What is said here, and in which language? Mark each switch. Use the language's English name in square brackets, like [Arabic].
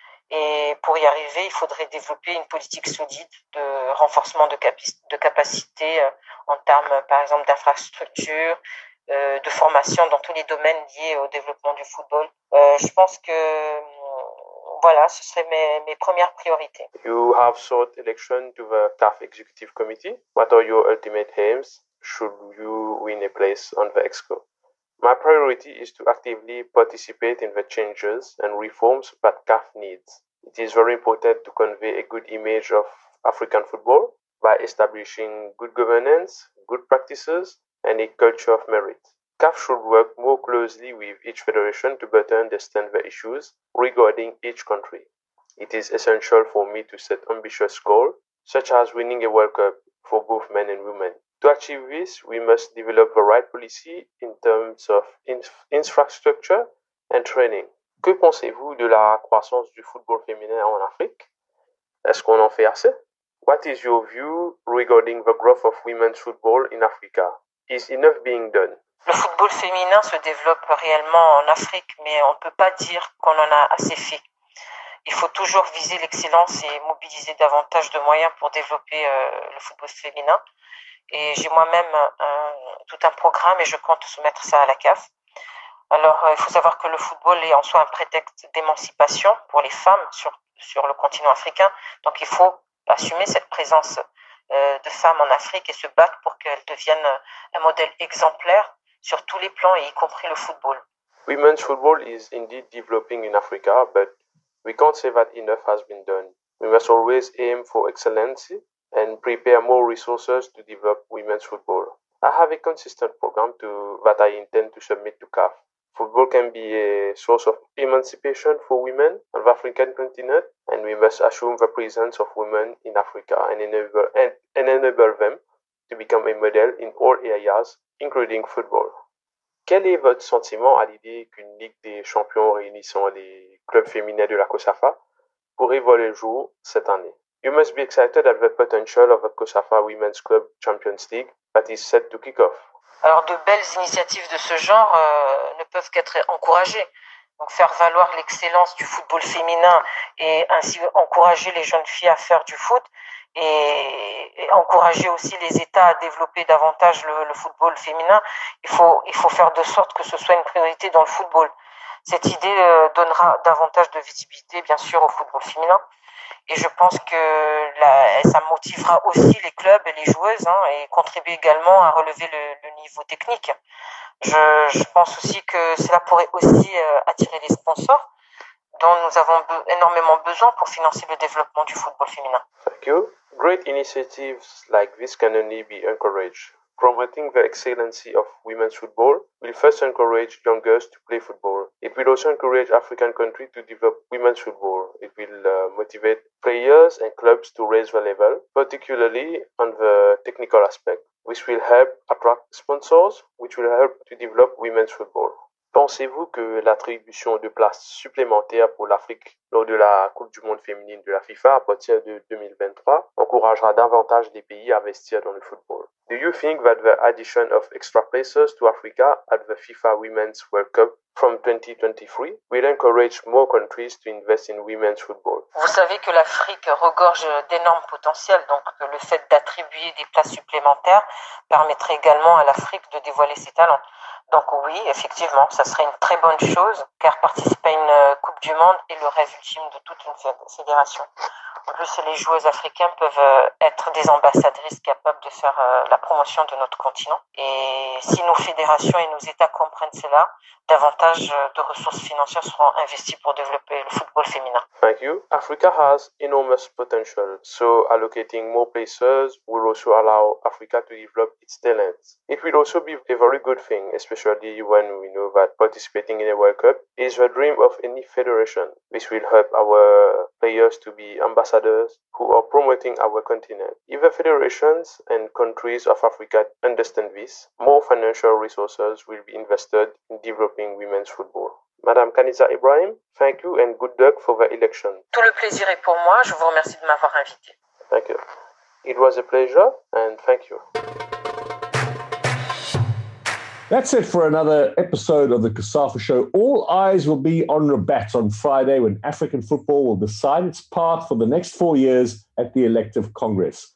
[French] Et pour y arriver, il faudrait développer une politique solide de renforcement de capacités en termes, par exemple, d'infrastructures, de formation dans tous les domaines liés au développement du football. Je pense que voilà, ce serait mes premières priorités. [English] You have sought election to the CAF Executive Committee. What are your ultimate aims should you win a place on the Exco? My priority is to actively participate in the changes and reforms that CAF needs. It is very important to convey a good image of African football by establishing good governance, good practices, and a culture of merit. CAF should work more closely with each federation to better understand the issues regarding each country. It is essential for me to set ambitious goals, such as winning a World Cup for both men and women. To achieve this, we must develop the right policy in terms of infrastructure and training. [French] Que pensez-vous de la croissance du football féminin en Afrique? Est-ce qu'on en fait assez? [English] What is your view regarding the growth of women's football in Africa? Is enough being done? [French] Le football féminin se développe réellement en Afrique, mais on ne peut pas dire qu'on en a assez fait. Il faut toujours viser l'excellence et mobiliser davantage de moyens pour développer le football féminin. Et j'ai moi-même tout un programme et je compte soumettre ça à la CAF. Alors, il faut savoir que le football est en soi un prétexte d'émancipation pour les femmes sur le continent africain. Donc, il faut assumer cette présence de femmes en Afrique et se battre pour qu'elles deviennent un modèle exemplaire sur tous les plans, et y compris le football. [English] Women's football is indeed developing in Africa, but we can't say that enough has been done. We must always aim for excellence and prepare more resources to develop women's football. I have a consistent program that I intend to submit to CAF. Football can be a source of emancipation for women on the African continent, and we must assume the presence of women in Africa and enable them to become a model in all areas, including football. [French] Quel est votre sentiment à l'idée qu'une Ligue des champions réunissant les clubs féminins de la COSAFA pourrait voir le jour cette année? [English] You must be excited at the potential of the COSAFA Women's Club Champions League that is set to kick off. [French] Alors, de belles initiatives de ce genre ne peuvent qu'être encouragées. Donc, faire valoir l'excellence du football féminin et ainsi encourager les jeunes filles à faire du foot et encourager aussi les États à développer davantage le football féminin, il faut faire de sorte que ce soit une priorité dans le football. Cette idée donnera davantage de visibilité, bien sûr, au football féminin. Et je pense que ça motivera aussi les clubs et les joueuses hein, et contribue également à relever le niveau technique. Je pense aussi que cela pourrait aussi attirer les sponsors dont nous avons énormément besoin pour financer le développement du football féminin. [English] Thank you. Great initiatives like this can only be encouraged. Promoting the excellency of women's football will first encourage young girls to play football. It will also encourage African countries to develop women's football. It will motivate players and clubs to raise the level, particularly on the technical aspect, which will help attract sponsors, which will help to develop women's football. [French] Pensez-vous que l'attribution de places supplémentaires pour l'Afrique lors de la Coupe du Monde féminine de la FIFA à partir de 2023 encouragera davantage les pays à investir dans le football? [English] Do you think that the addition of extra places to Africa at the FIFA Women's World Cup from 2023 will encourage more countries to invest in women's football? [French] Vous savez que l'Afrique regorge d'énormes potentiels, donc le fait d'attribuer des places supplémentaires permettrait également à l'Afrique de dévoiler ses talents. Donc oui, effectivement, ça serait une très bonne chose, car participer à une Coupe du Monde est le rêve ultime de toute une fédération. En plus, les joueuses africaines peuvent être des ambassadrices capables de faire la promotion de notre continent. Et si nos fédérations et nos États comprennent cela, davantage de ressources financières seront investies pour développer le football féminin. [English] Thank you. Africa has enormous potential, so allocating more places will also allow Africa to develop its talents. It will also be a very good thing, especially when we know that participating in a World Cup is the dream of any federation. This will help our players to be ambassadors who are promoting our continent. If the federations and countries of Africa understand this, more financial resources will be invested in developing women's football. Madame Kaniza Ibrahim, thank you and good luck for the election. [French] Tout le plaisir est pour moi. Je vous remercie de m'avoir invité. [English] Thank you. It was a pleasure and thank you. That's it for another episode of the COSAFA Show. All eyes will be on Rabat on Friday when African football will decide its path for the next 4 years at the elective Congress.